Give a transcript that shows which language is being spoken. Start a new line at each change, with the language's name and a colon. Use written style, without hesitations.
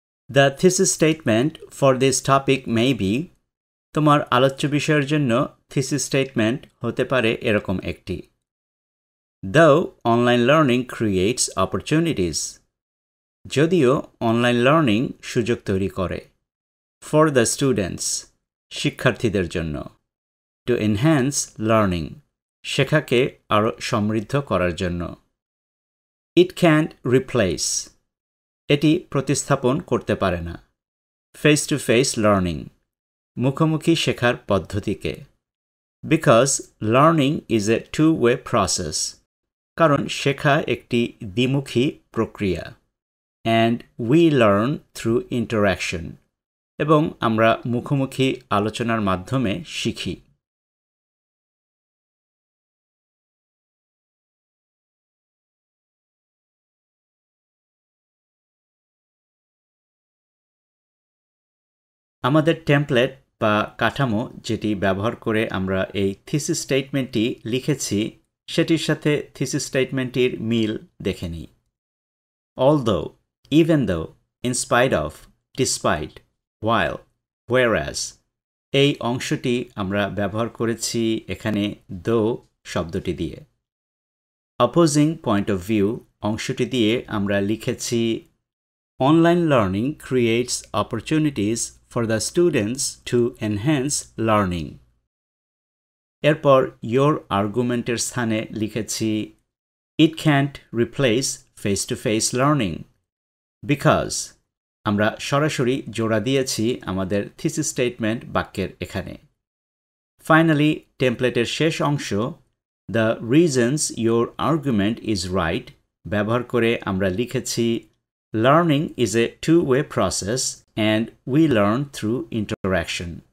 English: The thesis statement for this topic may be,
Bangla: তোমার আলোচ্য বিষয়ের জন্য thesis statement হতে পারে এরকম একটি:
English: Though online learning creates opportunities,
Bangla: যদিও অনলাইন লার্নিং সুযোগ তৈরি করে।
English: For the students,
Bangla: শিক্ষার্থীদের জন্য।
English: To enhance learning,
Bangla: শেখাকে আরও সমৃদ্ধ করার জন্য।
English: It can't replace,
Bangla: এটি প্রতিস্থাপন করতে পারে না।
English: face to face learning,
Bangla: মুখোমুখি শেখার পদ্ধতিকে।
English: because learning is a two way process,
Bangla: কারণ শেখা একটি দ্বিমুখী প্রক্রিয়া।
English: and we learn through interaction,
Bangla: এবং আমরা মুখোমুখি আলোচনার মাধ্যমে শিখি। আমাদের টেমপ্লেট বা কাঠামো যেটি ব্যবহার করে আমরা এই থিসিস স্টেটমেন্টটি লিখেছি সেটির সাথে থিসিস স্টেটমেন্টটির মিল দেখে নিই।
English: Although, even though, in spite of, despite, while, whereas,
Bangla: এই অংশটি আমরা ব্যবহার করেছি এখানে though শব্দটি দিয়ে।
English: Opposing point of view
Bangla: অংশটি দিয়ে আমরা লিখেছি
English: Online learning creates opportunities for the students to enhance learning.
Bangla: এরপর
English: your argumentের
Bangla: স্থানে লিখেছি
English: It can't replace face-to-face learning.
Bangla: Because আমরা সরাসরি জোড়া দিয়েছি আমাদের থিসিস স্টেটমেন্ট বাক্যের এখানে।
English: Finally,
Bangla: টেমপ্লেটের শেষ অংশ
English: The reasons your argument is right
Bangla: ব্যবহার করে আমরা লিখেছি
English: Learning is a two-way process and we learn through interaction.